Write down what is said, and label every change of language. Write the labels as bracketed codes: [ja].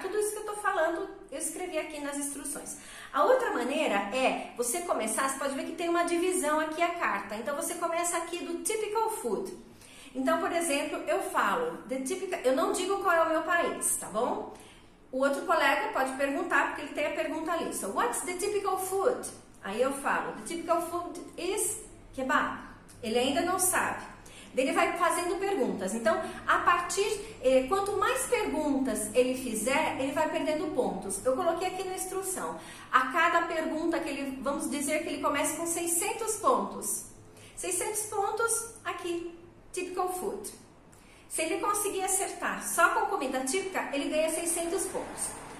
[pt] Tudo isso que eu estou falando, eu escrevi aqui nas instruções. A outra maneira é você começar, você pode ver que tem uma divisão aqui a carta. Então, você começa aqui do typical food. Então, por exemplo, eu falo, the typical, eu não digo qual é o meu país, tá bom? O outro colega pode perguntar, porque ele tem a pergunta ali. [en] So, what's the typical food? [pt] Aí eu falo, [en] the typical food is kebab. [pt] Ele ainda não sabe. Ele vai fazendo perguntas. Então, a partir, quanto mais perguntas ele fizer, ele vai perdendo pontos. Eu coloquei aqui na instrução. A cada pergunta que ele, vamos dizer que ele comece com 600 pontos. 600 pontos aqui, typical food. Se ele conseguir acertar só com comida típica, ele ganha 600 pontos.